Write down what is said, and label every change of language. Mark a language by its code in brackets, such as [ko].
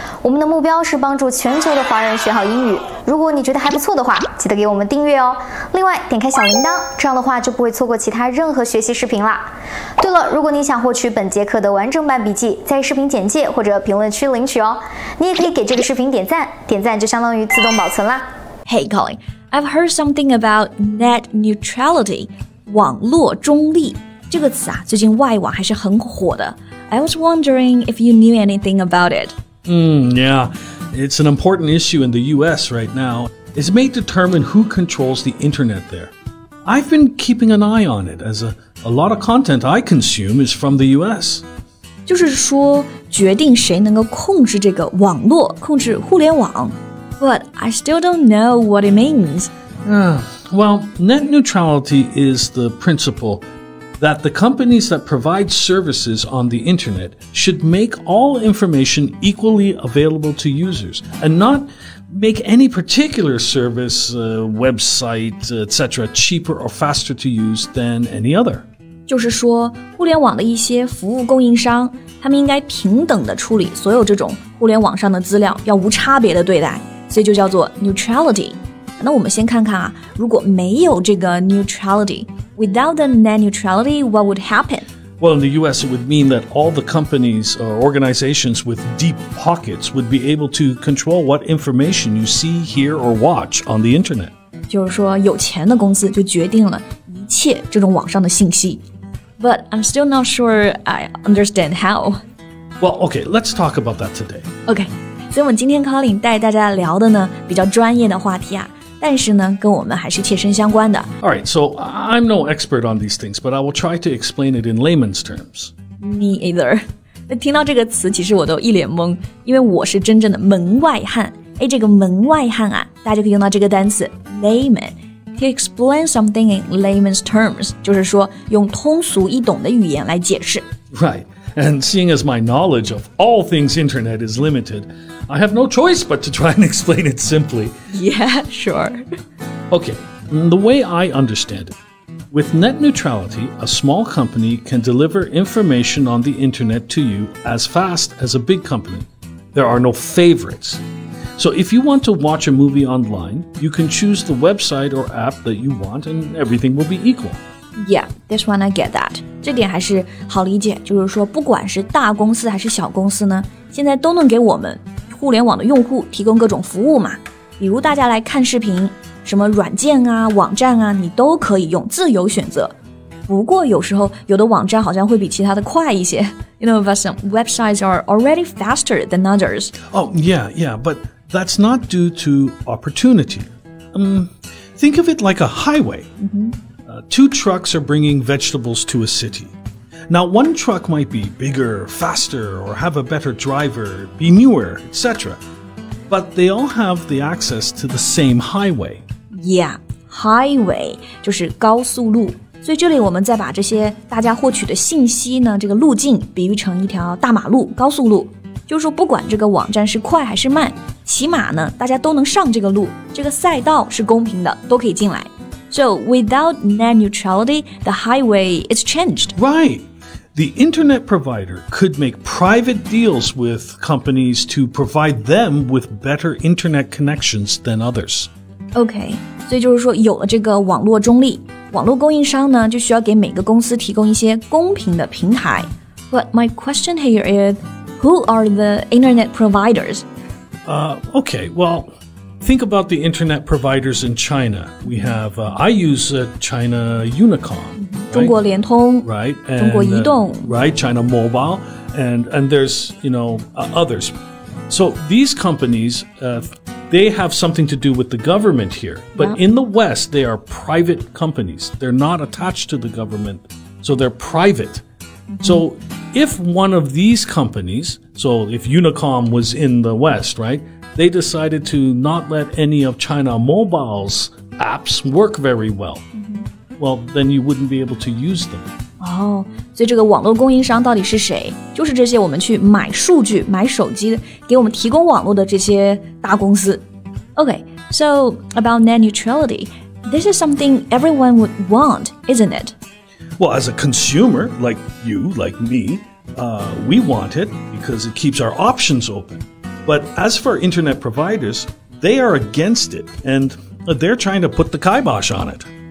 [zh] 我们的目标是帮助全球的华人学好英语。如果你觉得还不错的话，记得给我们订阅哦。另外，点开小铃铛，这样的话就不会错过其他任何学习视频了。对了，如果你想获取本节课的完整版笔记，在视频简介或者评论区领取哦。你也可以给这个视频点赞，点赞就相当于自动保存啦。 [en] Hey Colin, I've heard something about net neutrality, 网络中立。 [zh] 这个词啊，最近外网还是很火的。 [en] I was wondering if you knew anything about it. Yeah, it's an important issue in the U.S. right now. It's made to determine who controls the internet there. I've been keeping an eye on it, as a lot of content I consume is from the U.S. [zh] 就是说，决定谁能够控制这个网络，控制互联网。 [en] But I still don't know what it means. Well, net neutrality is the principle that the companies that provide services on the internet should make all information equally available to users and not make any particular service, website, etc. cheaper or faster to use than any other. [zh] 就是说互联网的一些服务供应商他们应该平等地处理所有这种互联网上的资料要无差别的对待所以就叫做 neutrality. 那我们先看看啊如果没有这个 neutrality, [en] Without the net neutrality, what would happen? Well, in the U.S., it would mean that all the companies or organizations with deep pockets would be able to control what information you see, hear, or watch on the internet. [zh] 就是说有钱的公司就决定了一切这种网上的信息。 [en] But I'm still not sure I understand how. Well, okay, let's talk about that today. [zh] Okay, 所以我们今天 Colin 带大家聊的呢比较专业的话题啊。但是呢跟我们还是切身相关的。 [en] Alright, so I'm no expert on these things, but I will try to explain it in layman's terms. Me either. [zh] 听到这个词其实我都一脸懵因为我是真正的门外汉。哎，这个门外汉啊大家可以用到这个单词 layman. [en] To explain something in layman's terms, [zh] 就是说用通俗易懂的语言来解释。 [en] Right, and seeing as my knowledge of all things internet is limited,I have no choice but to try and explain it simply. Yeah, sure. Okay, the way I understand it, with net neutrality, a small company can deliver information on the internet to you as fast as a big company. There are no favorites. So if you want to watch a movie online, you can choose the website or app that you want and everything will be equal. Yeah, this one I get that. [zh] 这点还是好理解，就是说不管是大公司还是小公司呢，现在都能给我们互联网的用户提供各种服务嘛。比如大家来看视频，什么软件啊、网站啊，你都可以用自由选择。不过有时候有的网站好像会比其他的快一些。 [en] You know, but some websites are already faster than others. Oh, yeah, yeah, but that's not due to opportunity. Think of it like a highway. Mm-hmm. Two trucks are bringing vegetables to a city. Now, one truck might be bigger, faster, or have a better driver, be newer, etc. But they all have the access to the same highway. [zh] Yeah, highway 就是高速路。所以这里我们再把这些大家获取的信息呢，这个路径比喻成一条大马路，高速路。就是说不管这个网站是快还是慢，起码呢，大家都能上这个路，这个赛道是公平的，都可以进来。 [en] So, without net neutrality, the highway is changed. Right. The internet provider could make private deals with companies to provide them with better internet connections than others. Okay. [zh] 所以就是说有了这个网络中立。网络供应商呢就需要给每个公司提供一些公平的平台。 [en] But my question here is, who are the internet providers? Okay, well... Think about the internet providers in China. We have, I use China Unicom. [zh] 中国联通 [en] Right. [zh] And, 中国移动 [en] Right, China Mobile. And there's, you know, others. So these companies, they have something to do with the government here. But yeah. In the West, they are private companies. They're not attached to the government. So they're private. Mm-hmm. So if one of these companies, so if Unicom was in the West, right? They decided to not let any of China Mobile's apps work very well. Well, then you wouldn't be able to use them. [zh] 哦，所以这个网络供应商到底是谁？就是这些我们去买数据、买手机给我们提供网络的这些大公司。 [en] Okay, so about net neutrality, this is something everyone would want, isn't it? Well, as a consumer, like you, like me, we want it because it keeps our options open. But as for internet providers, they are against it, and they're trying to put the kibosh on it.